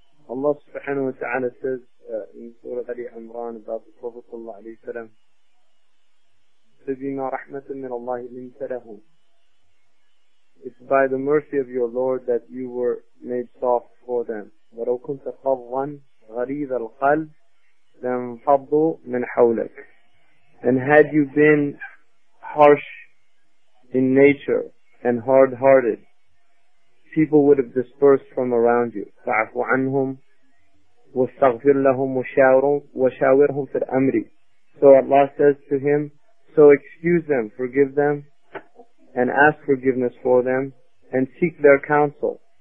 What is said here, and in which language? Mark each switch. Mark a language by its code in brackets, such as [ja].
[ar] الله سبحانه وتعالى [en] says in Surah Ali Imran about the Prophet [ar] صلى الله عليه وسلم سبينا رحمة من الله لنت له. [en] It's by the mercy of your Lord that you were made soft for them. [ar] ولو كنت فظا غليظ القلب لانفضوا من حولك. [en] And had you been harsh in nature and hard-hearted, people would have dispersed from around you. [ar] فَعَفُ عَنْهُمْ وَاسْتَغْفِرْ لَهُمْ وَشَاوِرْهُمْ فِي الْأَمْرِ. [en] So Allah says to him, so excuse them, forgive them, and ask forgiveness for them, and seek their counsel.